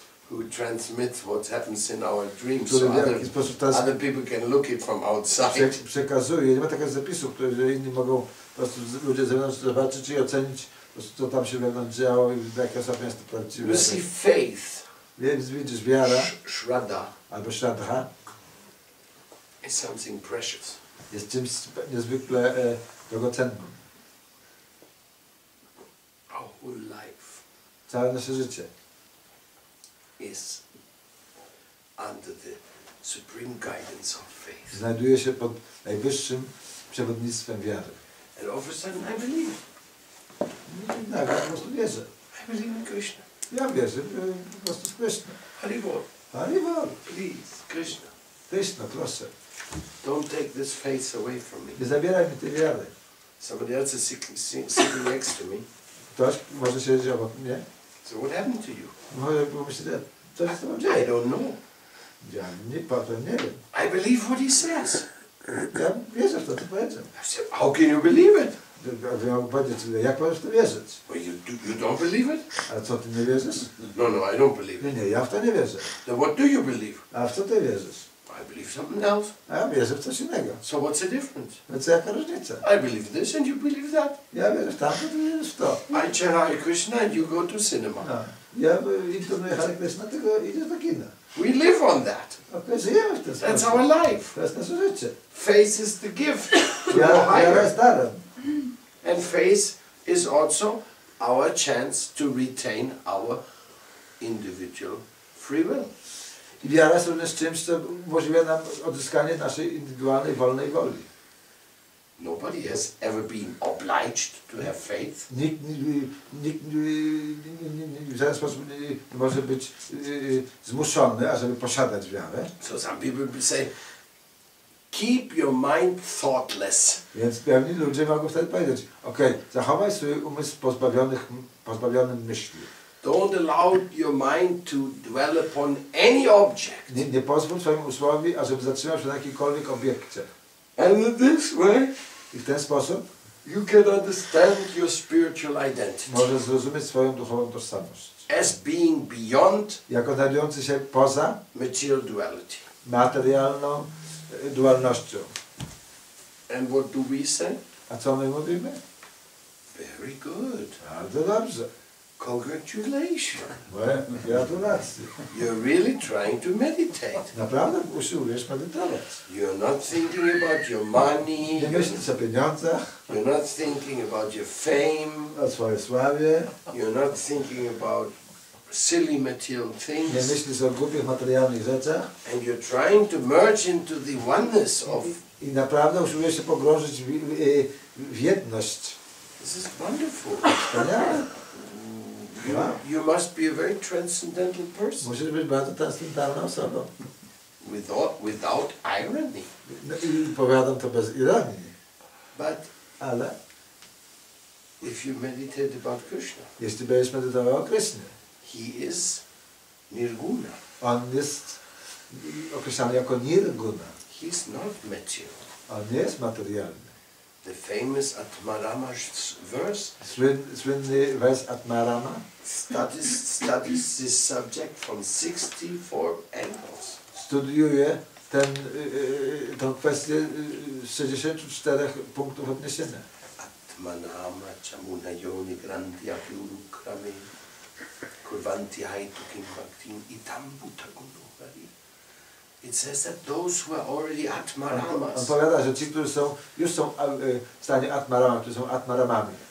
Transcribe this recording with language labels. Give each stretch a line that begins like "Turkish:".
English: Who transmits what happens in our dreams, so other people can look it from outside.
Polish: Przekazuje. Nie ma takiego zapisu, który inni mogą po prostu ludzie zewnątrz zobaczyć i ocenić, po prostu, co tam się wewnątrz działo i jakie są miasta prawdziwe.
English: You see faith.
Polish: Więc widzisz wiara.
English: Shraddha.
Polish: Albo Shraddha.
English: Is something precious.
Polish: Jest czymś niezwykle drogocennym.
English: Life.
Polish: Całe nasze życie
English: is under the supreme guidance of faith.
Polish: Znajduje się pod najwyższym przewodnictwem wiary.
English: And all of a sudden I believe.
Polish: Nagle po prostu wierzę.
English: I believe in Krishna.
Polish: Ja wierzę po prostu w Krishna.
English: Hari Bol. Please, Krishna.
Polish: Krishna, proszę.
English: Don't take this faith away from me.
Polish: Nie zabieraj mi tej wiary.
English: Somebody else is sitting next to me.
Polish: Ktoś może siedzieć obok mnie.
English: So what happened to you?
Polish: Może pomyśleć, co się stało?
English: I don't know.
Polish: Ja nie, potem nie wiem.
English: I believe what he says.
Polish: Ja wierzę w to, co powiedział.
English: How can you believe it?
Polish: Prabhupada czyli jak możesz w to wierzyć?
English: You don't believe it?
Polish: A co ty nie wierzysz?
English: No, I don't believe it.
Polish: Nie, ja w to nie wierzę.
English: Then what do you believe?
Polish: A w co ty wierzysz?
English: I believe something else.
Polish: Ja wierzę w coś innego.
English: So what's the difference?
Polish: No co jaka różnica?
English: I believe this and you believe that.
Polish: Ja wierzę w tamto, ty wierzysz w to.
English: I chant Hare Krishna and you go to cinema. No.
Polish: Ja intonuję Hare Krishna, tylko idę do kina.
English: We live on that.
Polish: Okay, żyjemy w ten sposób.
English: That's our life.
Polish: To jest nasze życie.
English: Faith is the gift.
Polish: Ja jest darem.
English: And faith is also our chance to retain our individual free will.
Polish: I wiara jest również czymś, co umożliwia nam odzyskanie naszej indywidualnej, wolnej woli.
English: Nobody has ever been obliged to have faith.
Polish: Nikt w żaden sposób nie może być zmuszony, ażeby posiadać wiarę.
English: So some people say, keep your mind thoughtless.
Polish: Więc pewni ludzie mogą wtedy powiedzieć, okej, zachowaj swój umysł pozbawionym myśli.
English: Don't allow your mind to dwell upon any object.
Polish: Nie pozwól swojemu umysłowi, ażeby zatrzymał się na jakimkolwiek obiekcie.
English: And in this way,
Polish: i w ten sposób,
English: you can understand your spiritual identity.
Polish: Możesz zrozumieć swoją duchową tożsamość.
English: As being beyond,
Polish: jako znajdujący się poza
English: material duality.
Polish: Materialną dualnością.
English: And what do we say?
Polish: A co my mówimy?
English: Very good.
Polish: Bardzo dobrze.
English: Congratulations.
Polish: Gratulacje.
English: You're really trying to meditate.
Polish: Naprawdę usiłujesz medytować.
English: You're not thinking about your money.
Polish: Nie myślisz o pieniądzach.
English: You're not thinking about your fame.
Polish: O swojej sławie.
English: You're not thinking about silly material things.
Polish: Nie myślisz o głupich materialnych rzeczach.
English: And you're trying to merge into the oneness of.
Polish: I naprawdę usiłujesz się pogrążyć w jedność.
English: This is wonderful.
Polish: Wspaniale.
English: You must be a very transcendental person.
Polish: Musisz być bardzo transcendentalną osobą.
English: Without irony.
Polish: Powiadam to bez ironii.
English: But
Polish: ale
English: if you meditate about Krishna.
Polish: Jeśli będziesz medytował o Krishna.
English: He is nirguna.
Polish: On jest określany jako nirguna.
English: He is not material.
Polish: On nie jest materialny.
English: The famous Atmarama verse.
Polish: Słynny wers Atmarama.
English: Studies this subject from 64 angles.
Polish: Studiuje tę kwestię z 64 punktów odniesienia.
Sanskrit: Atmanama chamuna yoni grandia piurukrami kurvanti haitukim bhaktim itam bhutagunuhari.
English: It says that those who are already Atmaramas.
Polish: On powiada, że ci, którzy już są w stanie Atmarama, którzy są Atmaramami.